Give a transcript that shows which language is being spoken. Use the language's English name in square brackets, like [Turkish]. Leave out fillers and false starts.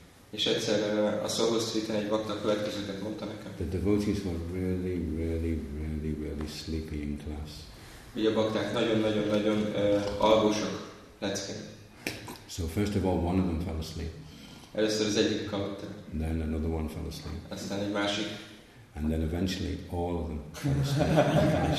[Hungarian] És egyszer a Soho Street-en egy bakta következőket mondta nekem. [English] The devotees were really, really, really, really sleepy in class. [Hungarian] Ugye a bakták nagyon-nagyon-nagyon alvósak leckén. [English] So first of all, one of them fell asleep. [Hungarian] Először az egyik kapott el. [English] Then another one fell asleep. [Hungarian] Aztán egy másik. [English] And then eventually, all of them fell asleep.